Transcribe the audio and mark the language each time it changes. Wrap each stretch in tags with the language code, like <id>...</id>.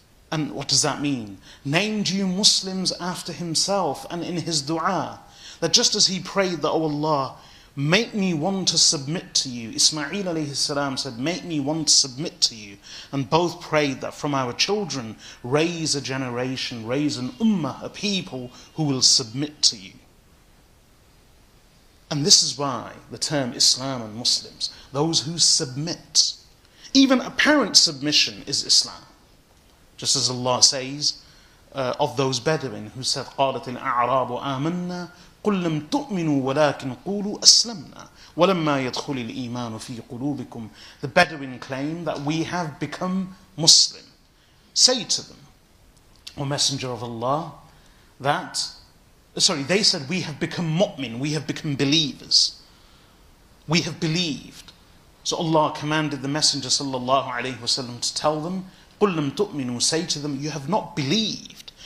<en>And what does that mean? Named you Muslims after himself, and in his dua, that just as he prayed that, O Allah, make me one to submit to you, Ismail alayhi salam said, make me one to submit to you, and both prayed that from our children, raise a generation, raise an ummah, a people who will submit to you. And this is why the term Islam and Muslims, those who submit, even apparent submission is Islam. Just as Allah says of those Bedouin who said,</en> <ar>قالت الأعراب آمنا قل لم تؤمنوا ولكن قولوا أسلمنا ولما يدخل الإيمان في قلوبكم.</ar> <en>The Bedouin claim that we have become Muslim. Say to them, O Messenger of Allah, they said, we have become mu'min, we have become believers. We have believed. So Allah commanded the Messenger sallallahu alayhi wasallam to tell them,</en> <ar>قُلْ لَمْ تُؤْمِنُوا,</ar> <en>say to them, you have not believed.</en>